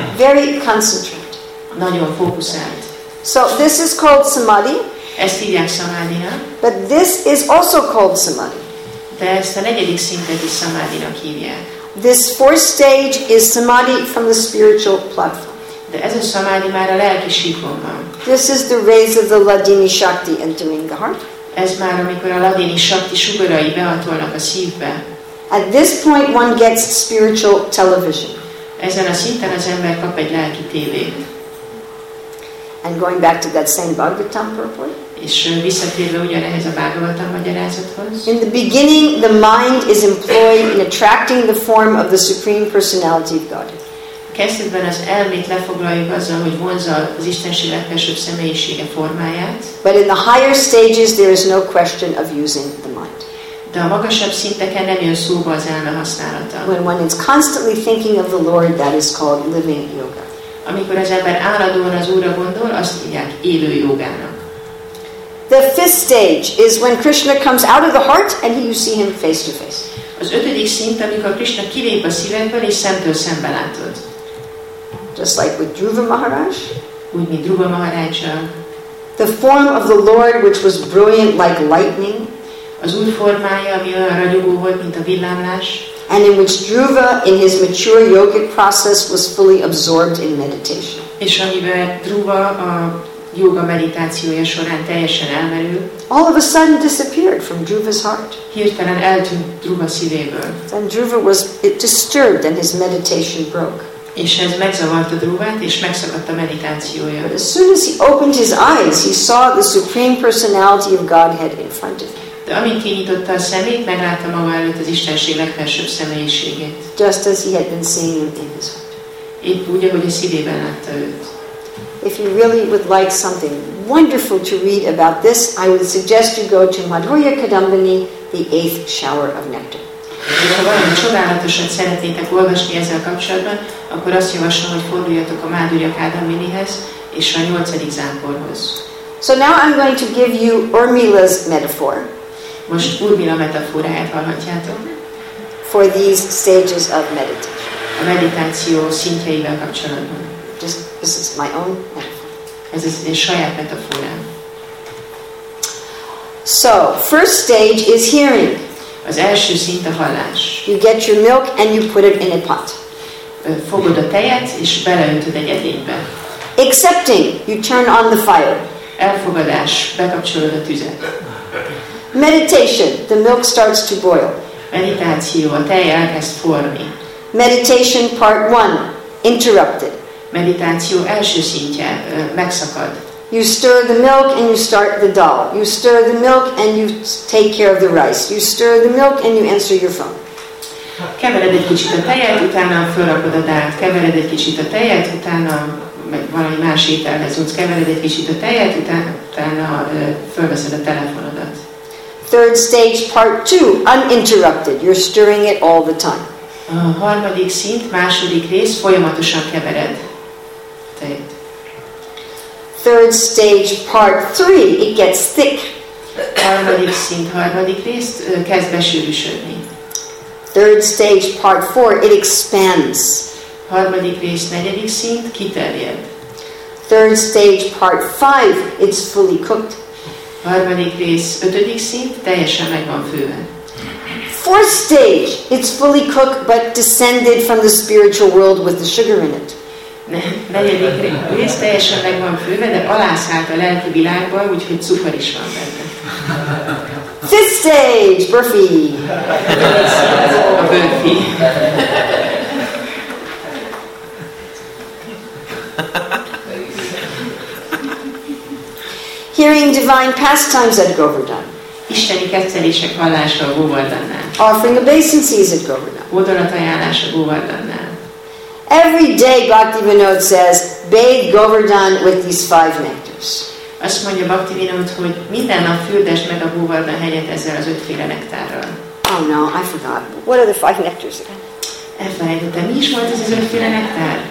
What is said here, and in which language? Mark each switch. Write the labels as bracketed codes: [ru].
[en] Very concentrated. [hu] Nagyon fókuszált. [en] So this is called samadhi. [hu] Ezt hívják samadhina. [en] But this is also called samadhi. [hu] De ezt a negyedik szintet is samadhinak hívják. [en] This fourth stage is samadhi from the spiritual platform. [hu] De ez a samadhi már a lelki síkonban. [en] This is the rays of the ladini shakti entering the heart. [hu] Ez már amikor a ladini shakti sugarai behatolnak a szívbe. [en] At this point one gets spiritual television. [hu] Ezen a szinten az ember kap egy lelki tévét. [en] And going back to that same Bhagavatam purport. [hu] És visszatérve ugyanehhez a Bhagavatam magyarázathoz. [en] In the beginning the mind is employed in attracting the form of the Supreme Personality of God. [hu] Kezdetben az elmét lefoglaljuk azzal, hogy vonza az Istenség legfelsőbb személyisége formáját. [en] But in the higher stages there is no question of using the mind. [hu] De a magasabb szinteken nem jön szóba az elme használata. [en] When one is constantly thinking of the Lord, that is called living yoga. [hu] Amikor az ember állandóan az Úrra gondol, azt hívják élő jogának. [en] The fifth stage is when Krishna comes out of the heart and you see him face to face. [hu] Az ötödik szint, amikor Krishna kilép a szívedből és szemtől szembe látod. [en] Just like with Dhruva Maharaj. [hu] Úgy, mint Dhruva Maharaj. [en] The form of the Lord, which was brilliant like lightning. [hu] Az új formája, ami olyan ragyogó volt, mint a villámlás. [en] And in which Dhruva, in his mature yogic process, was fully absorbed in meditation. [hu] És amiben Dhruva a yoga meditációja során teljesen elmerül. [en] All of a sudden disappeared from Dhruva's heart. [hu] Hirtelen eltűnt Dhruva szívéből. [en] And Dhruva was disturbed and his meditation broke. [hu] És ez megzavarta Dhruvát, és megszakadt a meditációja. [en] But as soon as he opened his eyes, he saw the Supreme Personality of Godhead in front of him. [hu] De amint kinyitotta a szemét, meglátta maga előtt az Istenség legfelsőbb személyiségét. [en] Just as he had been seeing it in his heart. [hu] Épp úgy, ahogy a szívében látta őt. [en] If you really would like something wonderful to read about this, I would suggest you go to Madhurya Kadambini, the eighth shower of nectar. [hu] És ha valami csodálatosat szeretnétek olvasni ezzel kapcsolatban, akkor azt javaslom, hogy forduljatok a Madhurya Kadambinihez és a nyolcadik zámporhoz. [en] So now I'm going to give you Urmila's metaphor. [hu] Most Urmila metaforáját hallhatjátok. [en] For these stages of meditation. [hu] A meditáció szintjeivel kapcsolatban. [en] This is my own metaphor. [hu] Ez az én saját metaforám. [en] So, first stage is hearing. [hu] Az első szint a hallás. [en] You get your milk and you put it in a pot. [hu] Fogod a tejet és beleöntöd egy edénybe. [en] Accepting, you turn on the fire. [hu] Elfogadás, bekapcsolod a tüzet. [en] Meditation, the milk starts to boil. [hu] Meditáció, a tej elkezd forni. [en] Meditation part 1, interrupted. [hu] Meditáció első szintje, megszakad. [en] You stir the milk and you start the dal. You stir the milk and you take care of the rice. You stir the milk and you answer your phone. [hu] Kevered egy kicsit a tejet, utána fölrakod a dalt. Kevered egy kicsit a tejet, utána valami más ételhez jutsz. Kevered egy kicsit a tejet, utána fölveszed a telefonodat. [en] Third stage, part 2, uninterrupted. You're stirring it all the time. [hu] A harmadik szint, második rész, folyamatosan kevered. Tehát. [en] Third stage, part 3, it gets thick. [hu] Harmadik szint, harmadik rész, kezd besűrűsödni. [en] Third stage, part 4, it expands. [hu] Harmadik rész, negyedik szint, kiterjed. [en] Third stage, part 5, it's fully cooked. [hu] Harmadik rész, ötödik szint, teljesen megvan főve. [en] Fourth stage, it's fully cooked but descended from the spiritual world with the sugar in it. [hu] Negyedik rész, teljesen megvan főve, de alászállt a lelki világba, úgyhogy cukor is van benne. [en] Fifth stage, burfi. [hu] A burfi. [en] Hearing divine pastimes at Govardhan. [hu] Isteni kezdelések hallása a Govardhannál. [en] Offering obeisances at Govardhan. [hu] Udonat ajánlás a Govardhannál. [en] Every day Bhaktivinoda says, bathe Govardhan with these five nectars. [hu] Azt mondja Bhaktivinoda, hogy minden nap fürdesd meg a Govardhan helyet ezzel az ötféle nektárral. [en] Oh no, I forgot. What are the five nectars again? [hu] Elfelejtettem. Mi is volt ez az ötféle nektár?